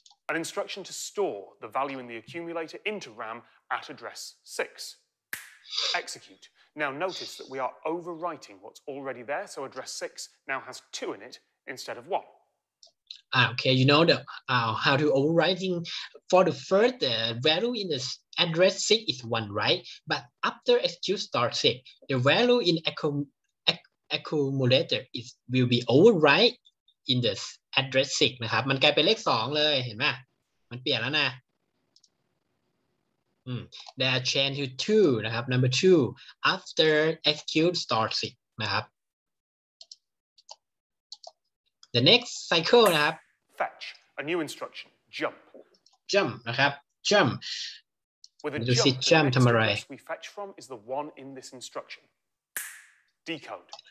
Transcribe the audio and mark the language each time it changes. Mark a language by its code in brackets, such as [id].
[en] An instruction to store the value in the accumulator into RAM at address 6. Execute. Now notice that we are overwriting what's already there, so address 6 now has 2 in it instead of 1. Okay, you know the, how to overwriting for the first value in the address 6 is 1, right? But after execute start 6, the value in accumulator is, will be overwrite in the address 6, นะครับ [th] มันกลายเป็นเลข 2 เลย เห็นมั้ย มันเปลี่ยนแล้วนะ [en] There are change to 2, นะครับ Number 2, after execute start 6, นะครับ The next cycle, นะครับ Fetch, a new instruction, jump Jump, นะครับ Jump With a jump, see jump the next address we fetch from is the one in this instruction Decode